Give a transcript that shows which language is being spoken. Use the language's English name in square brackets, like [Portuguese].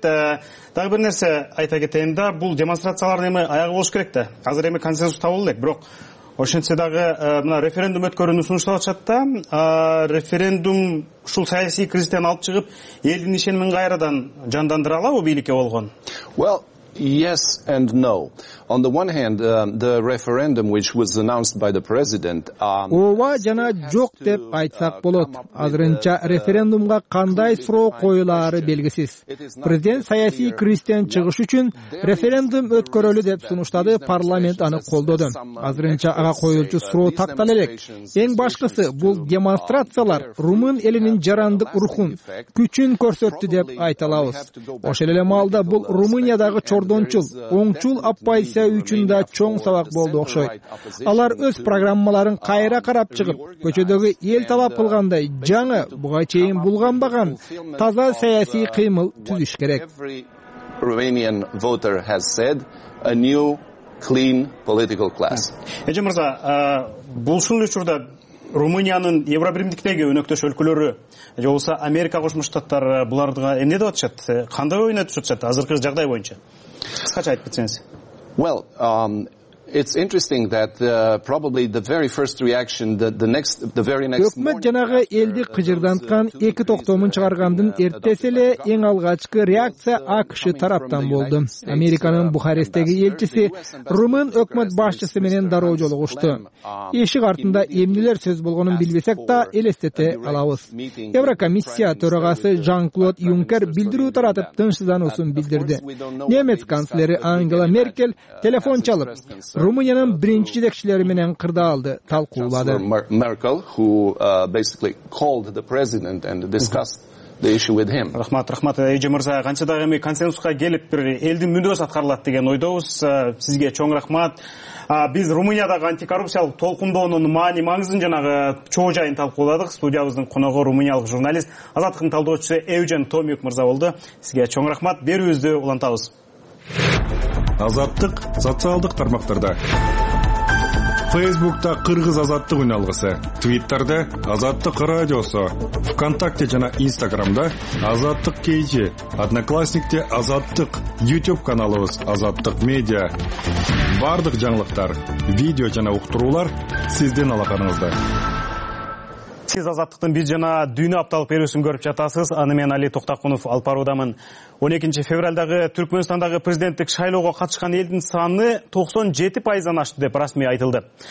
[Kyrgyz] Дагы бир нерсе айта кетейин да, бул демонстрациялардын эми аягы болуш керек да, азыр эми консенсус табылды элек, бирок ошентсе дагы мына референдум өткөрүүнү сунуштап атышат да. Референдум ушул саясий кризистен алып чыгып элдин ишенимин кайрадан жандандыра алабы бийликке болгон? [English] Well, yes and no. On the one hand, the referendum which was announced by the president, [Kyrgyz] ооба жана жок деп айтсак болот. Азырынча референдумга кандай суроо коюлары белгисиз. Президент саясий кризистен чыгыш үчүн референдум өткөрөлү деп сунуштады, парламент аны колдоду. Азырынча ага коюлчу суроо тактала элек. Эң башкысы, бул демонстрациялар румын элинин жарандык рухун, күчүн көрсөттү деп айта алабыз. Ошол эле маалда бул Румыниядагы чордончул, оңчул оппозиция үчүн да чоң сабак болду окшойт. Алар өз программаларын кайра карап чыгып, көчөдөгү эл талап кылгандай жаңы, буга чейин булганбаган таза саясий кыймыл түзүш керек. [English] Romanian voter has said a new clean political class. [Kyrgyz] Эже мырза, бул ушул учурда Румыниянын Евробиримдиктеги өнөктөш өлкөлөрү же болбосо Америка Кошмо Штаттары буларга эмне деп атышат, кандай ойнотуп атышат азыркы жагдай боюнча, кыскача айтып кетсеңиз? [English] Well, it's interesting that probably the very first reaction the very next [Kyrgyz] өкмөт жанагы элди кыжырданткан эки токтомун чыгаргандын эртеси эле эң алгачкы реакция АКШ тараптан болду. Американын Бухаресттеги элчиси румын өкмөт башчысы менен дароо жолугушту. Эшик артында эмнелер сөз болгонун билбесек да элестете алабыз. Еврокомиссия төрагасы Жан-Клод Юнкер билдирүү таратып тынчсыздануусун билдирди. Немец канцлери Ангела Меркель телефон чалып Румыниянын биринчи жетекчилери менен кырдаалды талкуулады. [English] Merkel, who basically called the president and discussed the issue with him. [Kyrgyz] Рахмат, рахмат, Эйже мырза. Канча дагы эми консенсуска келип бир элдин мүндөсү аткарылат деген ойдобуз. Сизге чоң рахмат. Биз Румыниядагы антикоррупциялык толкундоонун маани маңызын жанагы чоо жайын талкууладык. Студиябыздын коногу румыниялык журналист Азаттыктын талдоочусу Эвжен Томюк мырза болду. Сизге чоң рахмат. Берүүбүздү улантабыз. Азаттык социалдык тармактарда. Facebook'ta Kırgız Azattık Ünalgısı, Twitter'da Azattık Radyosu, ВКонтакте жана Instagram'da Azattık KG, Одноклассник'te Azattık, YouTube каналыбыз Azattık Media. Бардык жаңылыктар, видео жана уктуруулар сиздин алаканыңызда. Сиз Азаттыктын биз жана дүйнө апталык берүүсүн көрүп жатасыз. Аны мен Али Токтокунов алып баруудамын. 12 февральдагы Түркмөнстандагы президенттик шайлоого катышкан элдин саны 97% ашты деп расмий айтылды.